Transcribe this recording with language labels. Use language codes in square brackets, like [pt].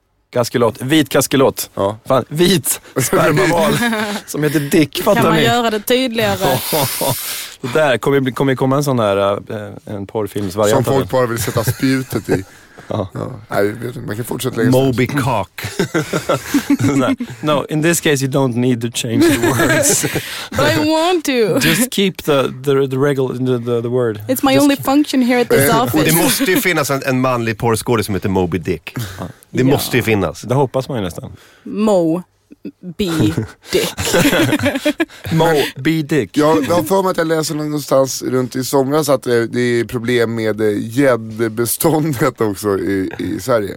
[sv] Kaskelott, vit kaskelott. Ja. Fan, vit spermaval som heter Dick, fattar ni? Kan man göra det tydligare? Det där kommer komma en sån här en porrfilmsvariant. Som folk bara vill sätta spjutet i. Ja. Ja. Nej, man kan fortsätta lägga Moby sig. Cock. [en] No, in this case you don't need to change the words. But I want to. Just keep the word. It's my just only function here at this office. [sv] Det måste ju finnas en manlig porrskådis som heter Moby Dick. Det ja. Måste ju finnas. Det hoppas man ju nästan. Moby Dick. Moby Dick. Jag har för mig att jag läser någonstans runt i somras att det är problem med gäddbeståndet också i Sverige.